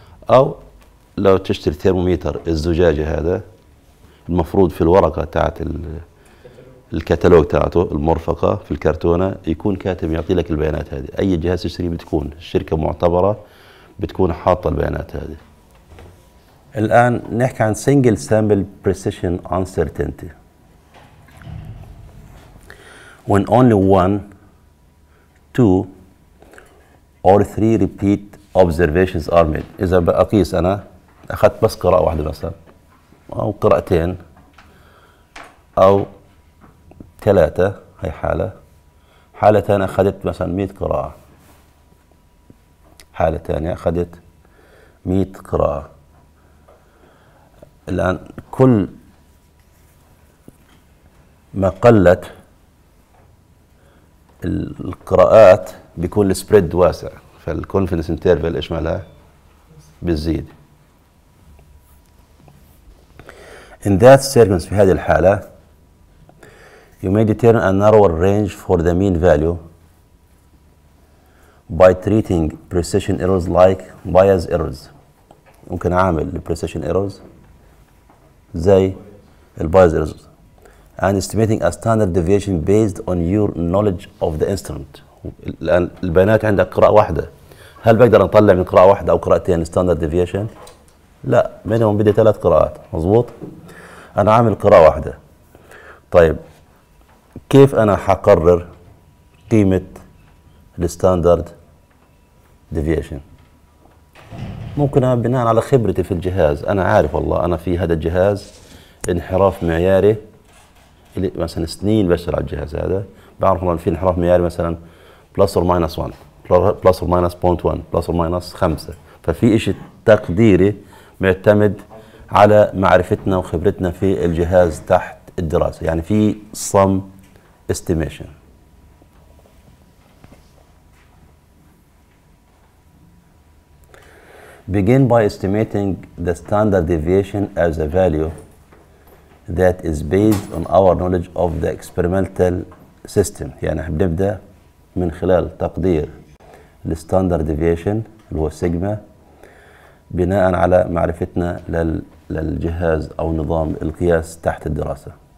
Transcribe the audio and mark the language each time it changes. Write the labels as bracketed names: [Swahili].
[Arabic] أو لو تشتري ثيرموميتر الزجاجة هذا المفروض في الورقة تاعت الكتالوج تاعته المرفقة في الكرتونة يكون كاتب يعطي لك البيانات هذه. أي جهاز تشتري بتكون الشركة معتبرة بتكون حاطة البيانات هذه. الآن نحكي عن [English] single sample precision uncertainty when only one, two or three repeat observations are made. [Arabic] إذا بقيس أنا أخذت بس قراءة واحدة مثلا أو قراءتين أو ثلاثة، هاي حالة. حالة ثانية أخذت مثلا 100 قراءة، حالة ثانية أخذت 100 قراءة. الآن كل ما قلت القراءات بيكون السبريد واسع، فالكونفيدنس انترفال ايش مالها بتزيد. [English] In that circumstance [Arabic] في هذه الحالة [English] you may determine a narrower range for the mean value by treating precision errors like bias errors. [Arabic] ممكن أعمل [English] precision errors [Arabic] زي البايز ايرورز [English] and estimating a standard deviation based on your knowledge of the instrument. [Arabic] الآن البيانات عندك قراءة واحدة، هل بقدر أطلع من قراءة واحدة أو قراءتين standard deviation؟ لا، منهم بدي 3 قراءات، مظبوط؟ أنا عامل قراءة واحدة. طيب كيف أنا حقرر قيمة الستاندرد ديفيشن؟ ممكن بناء على خبرتي في الجهاز. أنا عارف والله أنا في هذا الجهاز انحراف معياري اللي مثلا سنين بشتغل على الجهاز هذا، بعرف والله في انحراف معياري مثلا بلس أور ماينس 1 بلس أور ماينس 0.1 بلس أور ماينس 5، ففي إشي تقديري معتمد على معرفتنا وخبرتنا في الجهاز تحت الدراسة، يعني في صم استيميشن. [English] Begin by estimating the standard deviation as a value that is based on our knowledge of the experimental system. [Arabic] يعني بنبدأ من خلال تقدير الستاندرد ديفيشن اللي هو سيجما بناء على معرفتنا للجهاز أو نظام القياس تحت الدراسة.